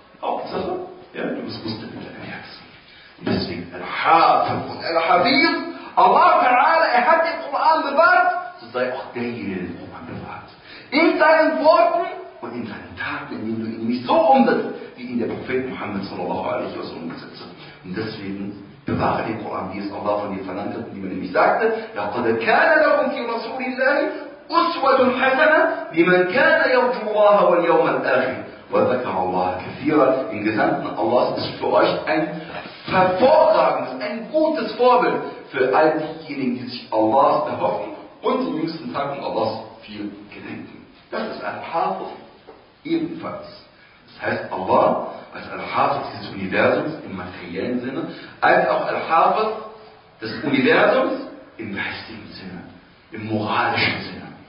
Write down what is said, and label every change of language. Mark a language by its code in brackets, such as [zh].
[de] Hauptsache, ja, du bist Muslim in deinem Herzen. Und deswegen, Al-Hafiz und Al-Hafiz, Allah Ta'ala, er hat den Koran bewahrt, so sei auch derjenige, den Koran bewahrt. In seinen Worten und in seinen Taten, indem du ihn nicht so umsetzt, wie ihn der Prophet Muhammad sallallahu alaihi wa sallam umgesetzt hat. Und deswegen, bewahre den Koran, wie es Allah von dir verlangt hat, indem er nämlich sagte, [ar] لقد كان لكم في رسول الله أسوة حسنة لمن كان يرجو الله واليوم الآخر وذكر الله كثيرا. [de] Im Gesamten, Allah ist für euch ein hervorragendes, ein gutes Vorbild für all diejenigen, die sich Allahs erhoffen und den jüngsten Tagen Allahs viel gedenken. Das ist Al-Hafiz ebenfalls. Das heißt, Allah als Al-Hafiz dieses Universums im materiellen Sinne, als auch Al-Hafiz des Universums im geistigen Sinne, im moralischen Sinne.